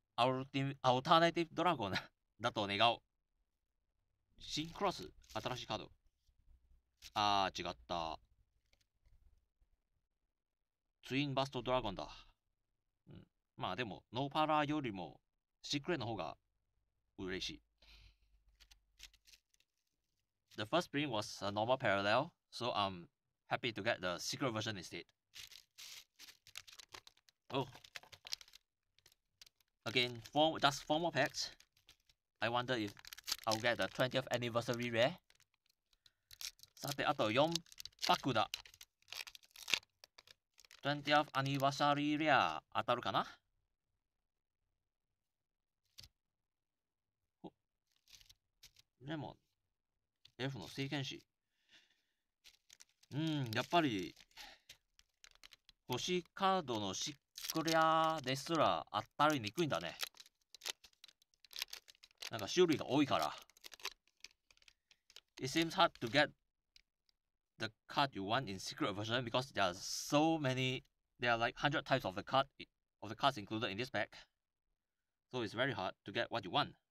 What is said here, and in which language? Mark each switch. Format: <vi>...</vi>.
<ja>アルターナティブドラゴンだと願おう。シンクロス、新しいカード。ああ、違った。ツインバストドラゴンだ。うん、まあでも、ノーパラーよりも、シークレの方が嬉しい。</ja> <en>The first print was a normal parallel, so I'm happy to get the secret version instead. Oh. Again, just four more packs. I wonder if I'll get the 20th anniversary rare.</en> <ja>さて、あと4パックだ。 20th anniversary rare 当たるかな？レモン。エルフの聖剣士。やっぱり、星カードのシックレアですら当たりにくいんだね。なんか種類が多いから。</ja> <en>It seems hard to get the card you want in secret version because there are so many, there are like 100 types of the cards included in this pack. So it's very hard to get what you want.</en>